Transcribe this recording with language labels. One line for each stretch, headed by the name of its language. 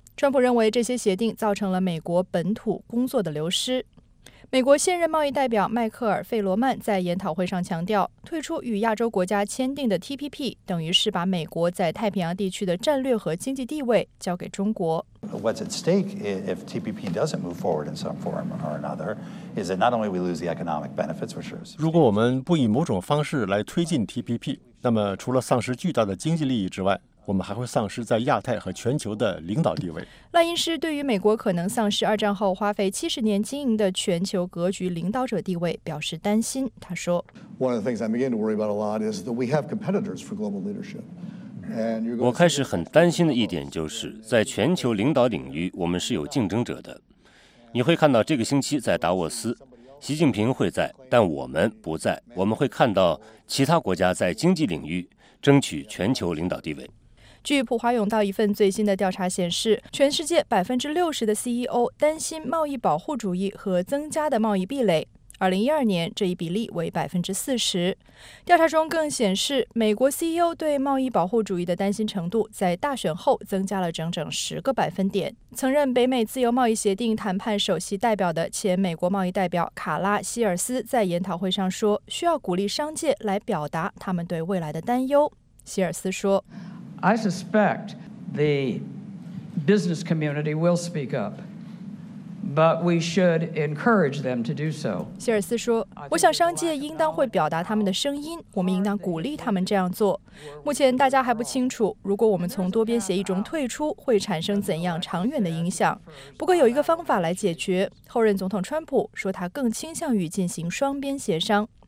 Chinese: 川普认为这些协定造成了美国本土工作的流失。美国现任贸易代表迈克尔·费罗曼在研讨会上强调，退出与亚洲国家签订的 TPP 等于是把美国在太平洋地区的战略和经济地位交给中国。
English: What's at stake if TPP doesn't move forward in some form or another is that not only we lose the economic benefits which are
Chinese: 如果我们不以某种方式来推进 TPP， 那么除了丧失巨大的经济利益之外，我们还会丧失在亚太和全球的领导地位。赖因师对于美国可能丧失二战后花费70年经营的全球格局领导者地位表示担心。他说
English: ：“One of the things I begin to worry about a lot is that we have competitors for global leadership.”
Chinese: 我开始很担心的一点就是，在全球领导领域，我们是有竞争者的。你会看到这个星期在达沃斯，习近平会在，但我们不在。我们会看到其他国家在经济领域争取全球领导地位。据普华永道一份最新的调查显示，全世界60%的 CEO 担心贸易保护主义和增加的贸易壁垒。 2012年，这一比例为40%。调查中更显示，美国 CEO 对贸易保护主义的担心程度在大选后增加了整整10个百分点。曾任北美自由贸易协定谈判首席代表的前美国贸易代表卡拉希尔斯在研讨会上说，需要鼓励商界来表达他们对未来的担忧。希尔斯说。
English: I suspect the business community will speak up, but we should encourage them to do so.
Chinese: 希尔斯说，我想商界应当会表达他们的声音，我们应当鼓励他们这样做。目前大家还不清楚，如果我们从多边协议中退出，会产生怎样长远的影响。不过有一个方法来解决，后任总统川普说他更倾向于进行双边协商。